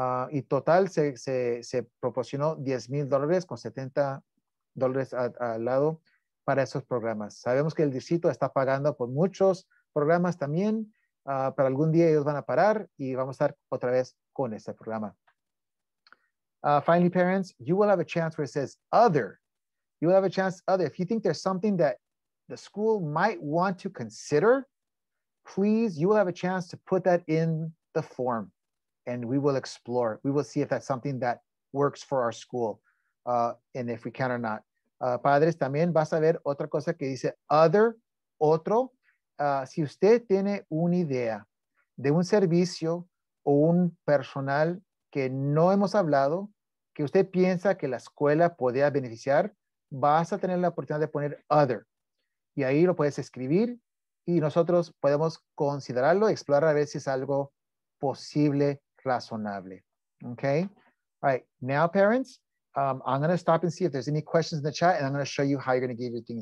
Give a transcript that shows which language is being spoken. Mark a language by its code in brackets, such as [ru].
[es] Y total se proporcionó $10,000 con $70 al lado para esos programas. Sabemos que el distrito está pagando por muchos programas también, pero algún día ellos van a parar y vamos a estar otra vez con este programa. [en] Finally, parents, you will have a chance where it says other. You will have a chance other. If you think there's something that the school might want to consider, please, you will have a chance to put that in the form and we will explore. We will see if that's something that works for our school and if we can or not. [es] Padres, también vas a ver otra cosa que dice other, otro. Si usted tiene una idea de un servicio o un personal que no hemos hablado, que usted piensa que la escuela podría beneficiar, vas a tener la oportunidad de poner other. Y ahí lo puedes escribir y nosotros podemos considerarlo, explorar a ver si es algo posible, razonable. [en] Okay? All right. Now, parents, I'm going to stop and see if there's any questions in the chat and I'm going to show you how you're going to give your thing.